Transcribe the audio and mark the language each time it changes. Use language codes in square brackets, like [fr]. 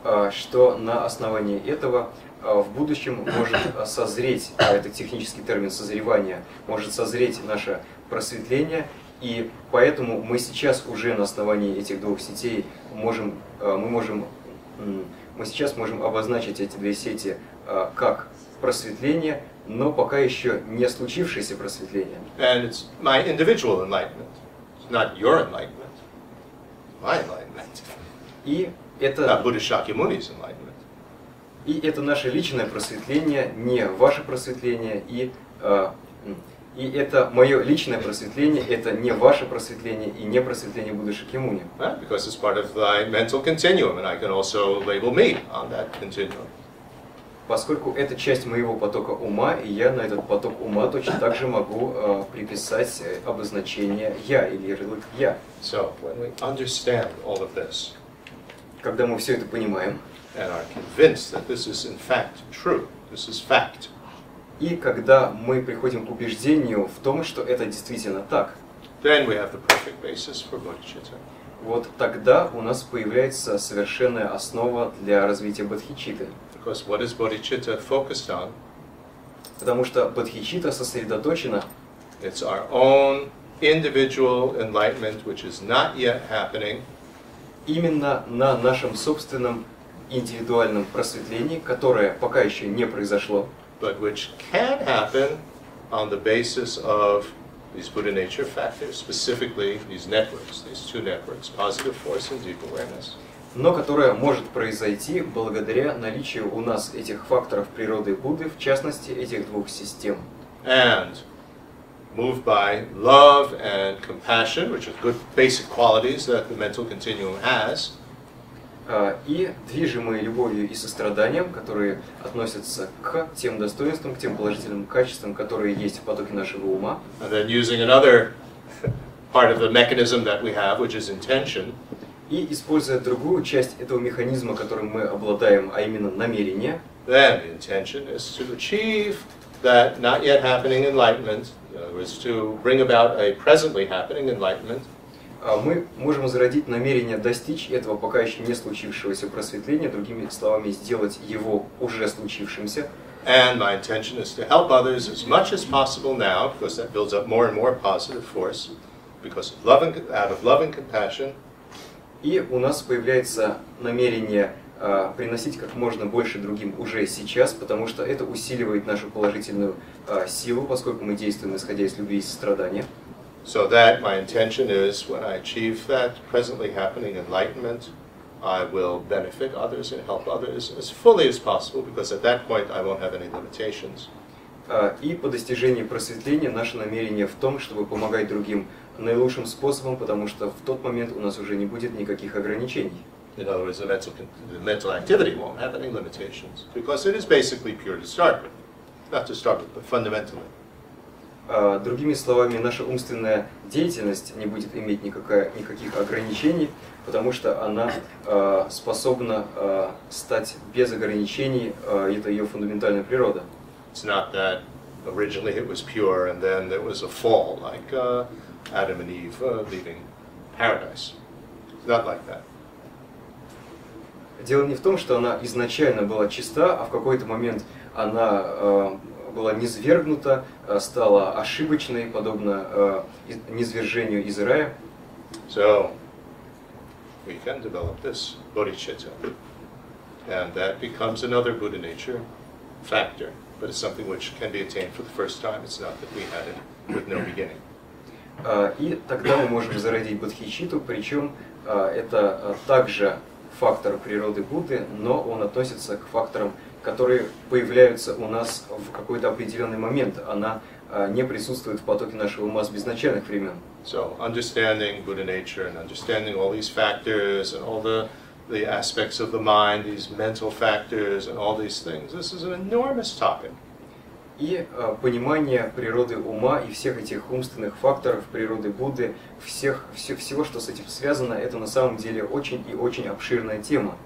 [ru] Что на основании этого в будущем может созреть, это технический термин созревания, может созреть наше просветление, и поэтому мы сейчас уже на основании этих двух сетей можем, мы сейчас можем обозначить эти две сети как просветление, но пока еще не случившееся просветление. [en] And it's my individual enlightenment, it's not your enlightenment, my enlightenment. [ru] И это [en] Будда Шакьямуни's enlightenment. [ru] И это наше личное просветление, не ваше просветление, и это мое личное просветление, это не ваше просветление и не просветление Будды Шакьямуни. [en] Because it's part of my mental continuum, and I can also label me on that continuum. [ru] Поскольку это часть моего потока ума, и я на этот поток ума точно так же могу приписать обозначение «я» или ярлык «я». [en] So, when we understand all of this, [ru] когда мы все это понимаем, [en] and are convinced that this is in fact true, this is fact. [ru] И когда мы приходим к убеждению в том, что это действительно так, [en] then we have the perfect basis for bodhicitta. [ru] Вот тогда у нас появляется совершенная основа для развития бодхичитты. [en] Because what is bodhicitta focused on? [ru] Потому что бодхичитта сосредоточена. [en] It's our own individual enlightenment, which is not yet happening. [ru] Именно на нашем собственном индивидуальном просветлении, которое пока еще не произошло, [en] but which can happen on the basis of these Buddha nature factors, specifically these networks, these two networks, positive force and deep awareness. [ru] Но которое может произойти благодаря наличию у нас этих факторов природы Будды, в частности этих двух систем. [en] And moved by love and compassion, which are good basic qualities that the mental continuum has. [ru] И движимые любовью и состраданием, которые относятся к тем достоинствам, к тем положительным качествам, которые есть в потоке нашего ума. [en] And then using another part of the mechanism that we have, which is intention. [ru] И используя другую часть этого механизма, которым мы обладаем, а именно намерение. [en] Then the intention is to achieve that not yet happening enlightenment, was to bring about a presently happening enlightenment. [ru] Мы можем зародить намерение достичь этого пока еще не случившегося просветления, другими словами, сделать его уже случившимся. [en] And my intention is to help others as much as possible now, because that builds up more and more positive force, because of love and compassion. [ru] И у нас появляется намерение приносить как можно больше другим уже сейчас, потому что это усиливает нашу положительную силу, поскольку мы действуем исходя из любви и сострадания. [en] So that my intention is when I achieve that presently happening enlightenment, I will benefit others and help others as fully as possible, because at that point I won't have any limitations. [ru] И по достижении просветления наше намерение в том, чтобы помогать другим наилучшим способом, потому что в тот момент у нас уже не будет никаких ограничений. [en] In other words, the mental activity won't have any limitations, because it is basically pure to start with. Not to start with, but fundamentally. [ru] Другими словами, наша умственная деятельность не будет иметь никаких ограничений, потому что она способна стать без ограничений, это ее фундаментальная природа. [en] It's not that originally it was pure and then there was a fall, like Adam and Eve leaving paradise. It's not like that. [ru] Дело не в том, что она изначально была чиста, а в какой-то момент она была низвергнута, стала ошибочной, подобно низвержению из рая. [en] So, we can develop this bodhicitta. And that becomes another Buddha nature factor. But it's something which can be attained for the first time. It's not that we had it with no beginning. [ru] И тогда мы можем зародить бодхичитту, причем это также фактор природы Будды, но он относится к факторам, которые появляются у нас в какой-то определенный момент. Она не присутствует в потоке нашего ума с безначальных времен. [en] So, understanding Buddha nature and understanding all these factors and all the aspects of the mind, these mental factors and all these things, this is an enormous topic. [ru] И понимание природы ума и всех этих умственных факторов природы Будды, всего, что с этим связано, это на самом деле очень и очень обширная тема.